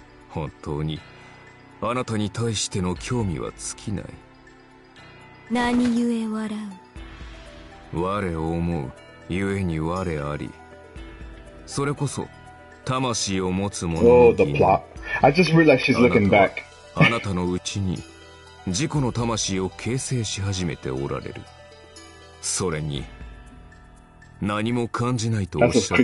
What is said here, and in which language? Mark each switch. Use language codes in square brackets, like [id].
[ja] 本当にあなたに対しての興味は尽きない。何故笑う。我を思う故に我あり。それこそ魂を持つ者の意味。 [en] Oh, the plot. I just realized she's looking back. [ja] あなたのうちに自己の魂を形成し始めておられる。それに何も感じないとおっしゃったが、